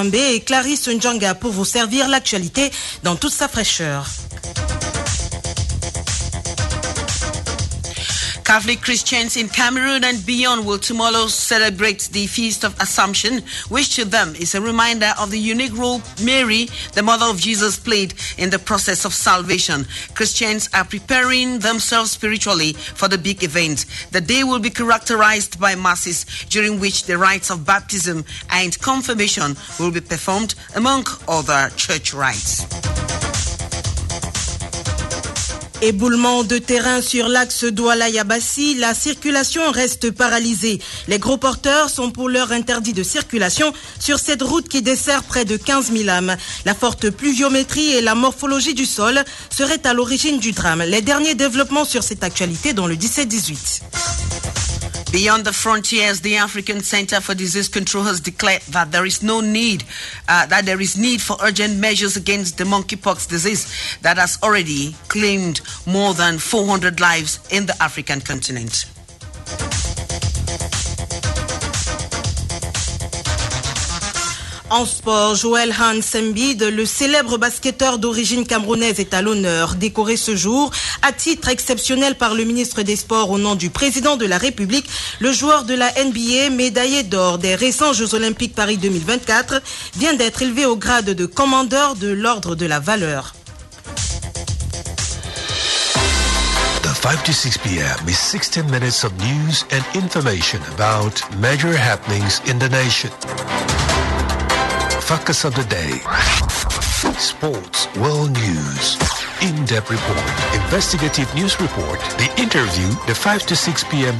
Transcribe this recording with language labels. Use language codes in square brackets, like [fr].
[fr] Ambe et Clarisse Ndjonga pour vous servir l'actualité dans toute sa fraîcheur. [en] Catholic Christians in Cameroon and beyond will tomorrow celebrate the Feast of Assumption, which to them is a reminder of the unique role Mary, the mother of Jesus, played in the process of salvation. Christians are preparing themselves spiritually for the big event. The day will be characterized by masses during which the rites of baptism and confirmation will be performed, among other church rites. [fr] Éboulement de terrain sur l'axe Douala-Yabassi, la circulation reste paralysée. Les gros porteurs sont pour l'heure interdits de circulation sur cette route qui dessert près de 15 000 âmes. La forte pluviométrie et la morphologie du sol seraient à l'origine du drame. Les derniers développements sur cette actualité dans le 17-18. [en] Beyond the frontiers, the African Center for Disease Control has declared that there is need for urgent measures against the monkeypox disease that has already claimed more than 400 lives in the African continent. [fr] En sport, Joël Hans Embiid, le célèbre basketteur d'origine camerounaise, est à l'honneur. Décoré ce jour, à titre exceptionnel par le ministre des Sports au nom du président de la République, le joueur de la NBA, médaillé d'or des récents Jeux Olympiques Paris 2024, vient d'être élevé au grade de commandeur de l'Ordre de la Valeur. [en] The 5 to 6 p.m. is 16 minutes of news and information about major happenings in the nation. Focus of the day. Sports, world news, in-depth report, investigative news report, the interview, the 5 to 6 p.m.